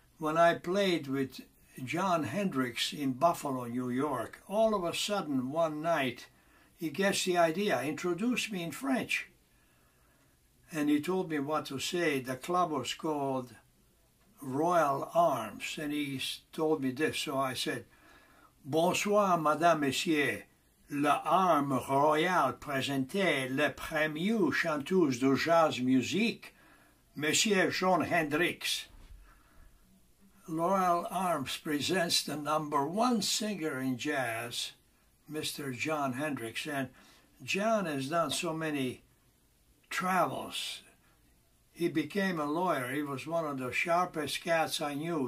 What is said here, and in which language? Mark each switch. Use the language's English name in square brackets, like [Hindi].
[English] When I played with John Hendricks in Buffalo, New York, all of a sudden one night, he gets the idea, introduced me in French. And he told me what to say. The club was called Royal Arms, and he told me this. So I said, [French] "Bonsoir, madame, monsieur. La arme royale présentée, le premier chanteuse de jazz musique, monsieur John Hendricks." [English] Royal Arms presents the number one singer in jazz, Mr. John Hendricks. And John has done so many travels. He became a lawyer. He was one of the sharpest cats I knew.